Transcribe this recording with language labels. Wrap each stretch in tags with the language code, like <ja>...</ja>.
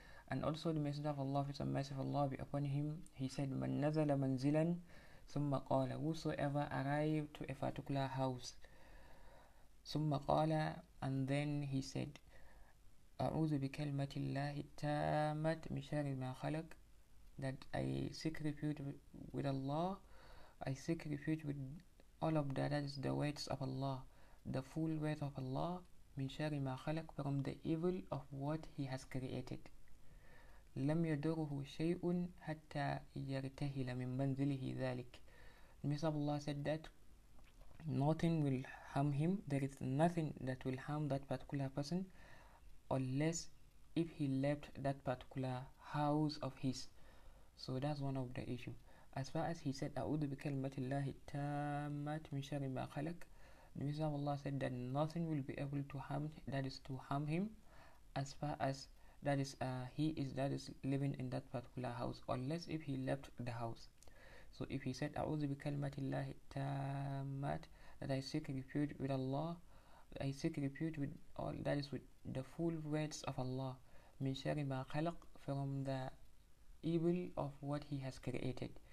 <en>And also the Messenger of Allah, peace and mercy of Allah be upon him, he said,</en> <ar>"Man nazala manzilan, summa qala,</ar> <en>whosoever arrived to a particular house,</en> <ar>summa qala,</ar> <en>and then he said,</en> <ar>"A'udhu bi kalimati Allahi tammat min sharri ma khalaq,"</ar> <en>that I seek refuge with all of that is the weights of Allah, the full weight of Allah,</en> <ar>min sharri ma khalaq,</ar> <en>from the evil of what He has created.</en> <ar>لم يدره شيء حتى يرتهل من منزله ذلك.</ar> <en>Mr. Allah said that nothing will harm him. There is nothing that will harm that particular person, unless if he left that particular house of his. So that's one of the issue. As far as he said,</en> <ar>أعوذ بكلمة الله التامة من شر ما خلق.</ar> <en>Mr. Allah said that nothing will be able to harm. That is to harm him, as far as that is he is living in that particular house, unless if he left the house. So if he said,</en> <ar>"A'udhu bi kalimatillahi tammat,"</ar> <en>that I seek refuge with all that is with the full words of Allah,</en> <ar>min sharri ma khalaq,</ar> <en>from the evil of what He has created.</en>